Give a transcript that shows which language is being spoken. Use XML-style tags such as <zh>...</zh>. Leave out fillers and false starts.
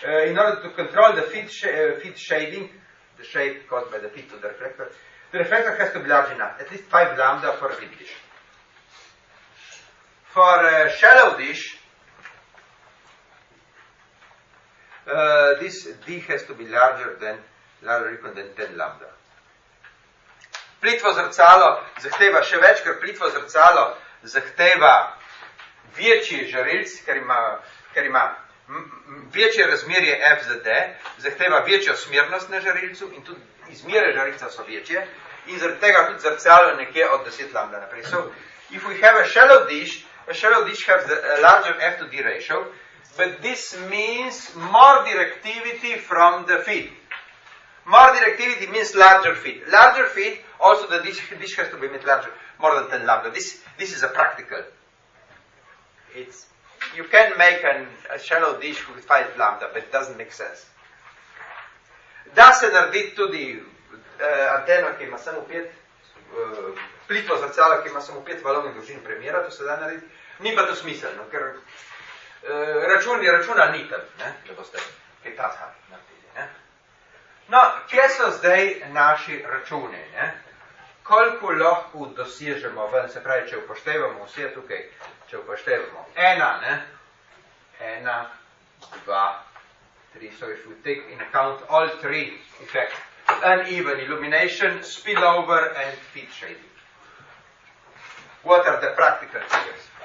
<en>In order to control the feed shading, the shape caused by the feed to the reflector has to be large enough, at least 5 lambda for a deep dish. For a shallow dish, this D has to be larger equal than 10 lambda.</en> <sl>Plitvo zrcalo zahteva še več, ker plitvo zrcalo zahteva večji žarilc, ker ima večje razmerje F za D, zahteva večjo smernost na žarilcu in tudi izmere žarilca so večje in zaradi tega tudi zrcalo nekje od 10 lambda naprej.</sl> <en>So, if we have a shallow dish has a larger F to D ratio, but this means more directivity from the feed. More directivity means larger feed. Larger feed, also the dish has to be made larger, more than 10 lambda. This is a practical. You can make a shallow dish with 5 lambda, but it doesn't make sense.</en> <sl>Da se narediti tudi anteno, ki ima samo 5, plitvo zrcala, ki ima samo 5 valovnih dolžin premjera, to se da narediti. Ni pa to smiselno, ker računa ni tam, ne, da boste kaj tazha naredili. Ne. No, kje so zdaj naši računi? Ne? Koliko lahko dosežemo ven, se pravi, če upoštevamo vse tukaj, če upoštevamo ena, ne? Ena, dva, tri,</sl> <en>so if we take in account all three effects, uneven illumination, spillover and feed shading. What are the practical figures?</en>